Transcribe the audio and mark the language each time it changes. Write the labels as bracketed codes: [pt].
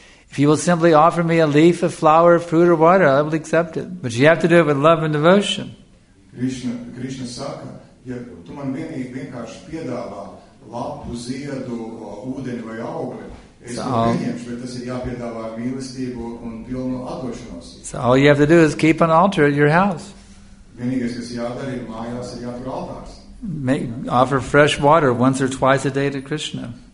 [en] If you will simply offer me a leaf, a flower, fruit, or water, I will accept it. But you have to do it with love and devotion. [lv] Krishna saka, ja tu man vienī vienkārši piedāvā lapu, ziedu, ūdeni vai augli, es to pieņemšu, bet tas ir jāpiedāvā ar mīlestību un pilnu atdošanos. [en] So all you have to do is keep an altar at your house. [lv] Vienīgais, kas jādara, ir mājās ir jātur altārs. [en] Offer fresh water once or twice a day to Krishna.